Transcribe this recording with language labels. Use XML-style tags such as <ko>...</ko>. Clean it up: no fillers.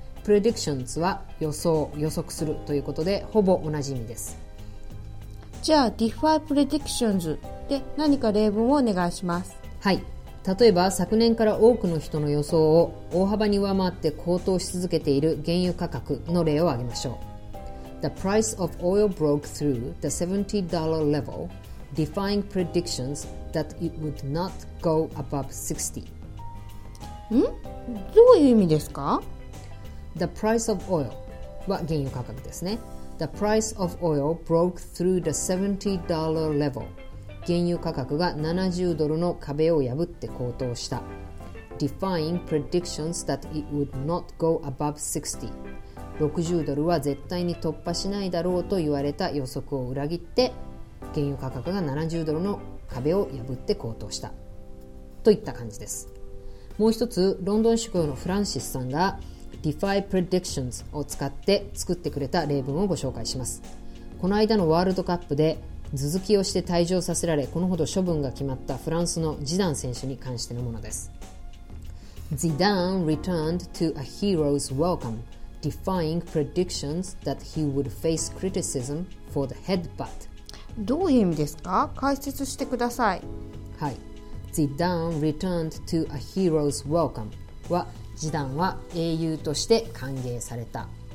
<ja>Predictions は予想、予測するということでほぼ同じ意味です。じゃあ</ja> <en>Defy predictions</en> <ja>で何か例文をお願いします。はい、例えば昨年から多くの人の予想を大幅に上回って高騰し続けている原油価格の例を挙げましょう。</ja> <en>The price of oil broke through the $70 level defying predictionsThat it would not go above 60.</en> <ja>ん？どういう意味ですか？</ja> <en>The price of oil</en> <ja>は原油価格ですね。</ja> <en>The price of oil broke through the $70 level.</en> <ja>原油価格が70ドルの壁を破って高騰した。</ja> <en>Defying predictions that it would not go above 60.</en> <ja>60ドルは絶対に突破しないだろうと言われた予測を裏切って、原油価格が70ドルの壁を破って高騰したといった感じです。もう一つ、ロンドン市郊のフランシスさんが</ja> <en>Defy Predictions</en> <ja>を使って作ってくれた例文をご紹介します。この間のワールドカップで頭突きをして退場させられ、このほど処分が決まったフランスのジダン選手に関してのものです。</ja> <en>Zidane returned to a hero's welcome defying predictions that he would face criticism for the headbutt</en> <ja>どういう意味ですか？解説してください。はい。</ja> <en>Zidane returned to a hero's welcome</en> <ja>は、ジダンは英雄として歓迎された。</ja>